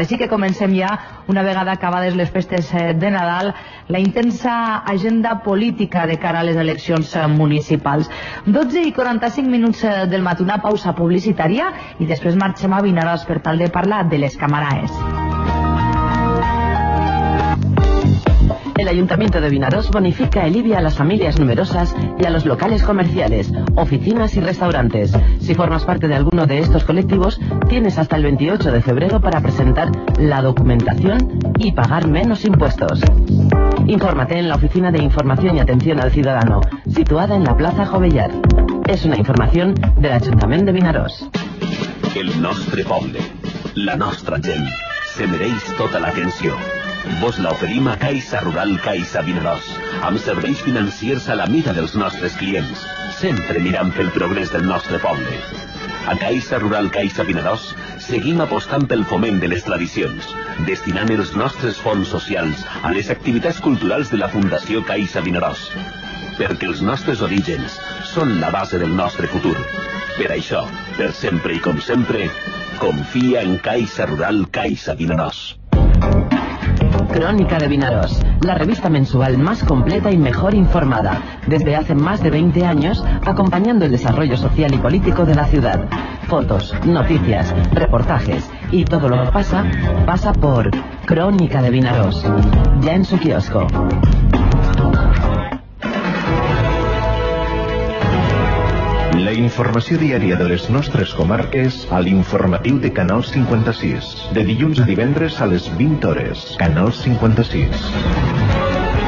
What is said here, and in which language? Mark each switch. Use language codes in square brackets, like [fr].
[ca] Així que comencem ja, una vegada acabades les festes de Nadal, la intensa agenda política de cara a les eleccions municipals. 12:45 del matí, una pausa publicitària i després marxem a Vinaròs per tal de parlar de les camaraes. [es] El Ayuntamiento de Vinaròs bonifica el IBI a las familias numerosas y a los locales comerciales, oficinas y restaurantes. Si formas parte de alguno de estos colectivos, tienes hasta el 28 de febrero para presentar la documentación y pagar menos impuestos. Infórmate en la Oficina de Información y Atención al Ciudadano, situada en la Plaza Jovellar. Es una información del Ayuntamiento de Vinaròs. [ca] El nostre poble, la nostra gent, se mereix tota l'atenció. Vos la oferim a Caixa Rural Caixa Vinaròs, amb serveis financiers a la mida dels nostres clients, sempre mirant pel progrés del nostre poble. A Caixa Rural Caixa Vinaròs seguim apostant pel foment de les tradicions, destinant els nostres fons socials a les activitats culturals de la Fundació Caixa Vinaròs. Perquè els nostres orígens són la base del nostre futur. Per això, per sempre i com sempre, confia en Caixa Rural Caixa Vinaròs. [es] Crónica de Vinaròs, la revista mensual más completa y mejor informada. Desde hace más de 20 años, acompañando el desarrollo social y político de la ciudad. Fotos, noticias, reportajes y todo lo que pasa, pasa por Crónica de Vinaròs, ya en su kiosco. [ca] La informació diària de les nostres comarques a l'informatiu de Canal 56. De dilluns a divendres a les 20 hores. Canal 56.